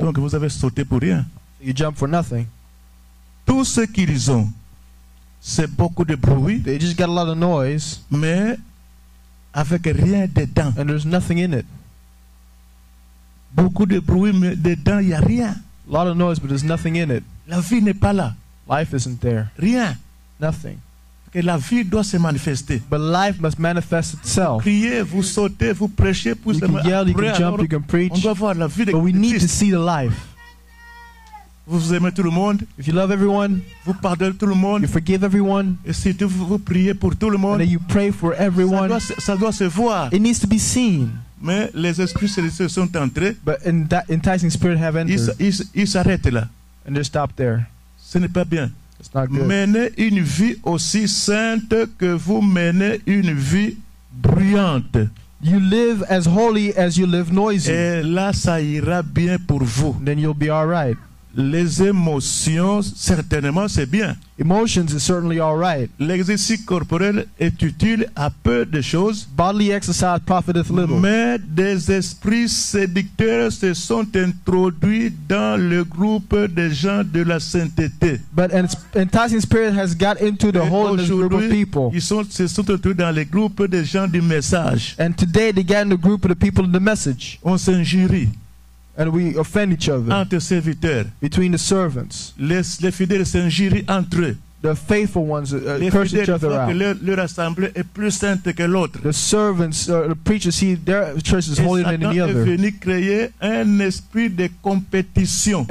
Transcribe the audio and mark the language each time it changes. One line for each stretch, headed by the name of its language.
French: Donc, vous avez sauté pour rien.
English: You jump for nothing.
French: Tout ce qu'ils ont, c'est beaucoup de bruit.
English: They just got a lot of noise.
French: Mais avec rien dedans.
English: And there's nothing in it.
French: Beaucoup de bruit, mais dedans, il n'y a rien.
English: A lot of noise, but there's nothing in it.
French: La vie n'est pas là.
English: Life isn't there.
French: Rien.
English: Nothing.
French: Et la vie doit se manifester.
English: But life must manifest itself.
French: Vous criez, vous sautez, vous prêchez.
English: You can yell, you can jump, you can preach.
French: On doit voir la vie
English: but we need to see the life.
French: vous aimez tout le monde,
English: if you love everyone,
French: vous pardonnez tout le monde,
English: you forgive everyone,
French: et si tu vous priez pour tout le monde,
English: and that you pray for everyone,
French: ça doit se voir.
English: It needs to be seen.
French: Mais les esprits célestes sont entrés.
English: But in that enticing spirit have entered.
French: Ils s'arrêtent là.
English: And they stop there.
French: Ce n'est pas bien.
English: It's not good.
French: Menez une vie aussi sainte que vous menez une vie bruyante.
English: You live as holy as you live noisy.
French: Et là, ça ira bien pour vous.
English: Then you'll be all right.
French: Les émotions, certainement, c'est bien.
English: Emotions is certainly all right.
French: L'exercice corporel est utile à peu de choses.
English: Bodily exercise profiteth little.
French: Mais des esprits séducteurs se sont introduits dans le groupe des gens de la sainteté.
English: But an enticing spirit has got into the holiness group of people.
French: Ils se sont introduits dans le groupe des gens du message.
English: And today they got in the group of the people in the message.
French: On s'injurie.
English: And we offend each other.
French: Entre serviteurs.
English: Between the servants.
French: Les fidèles s'injurient entre eux.
English: The faithful ones curse each other out.
French: Leur assemblée est plus sainte que l'autre.
English: The servants, the preachers, see their church is holier than any other.
French: Et Satan est venu créer un esprit de compétition.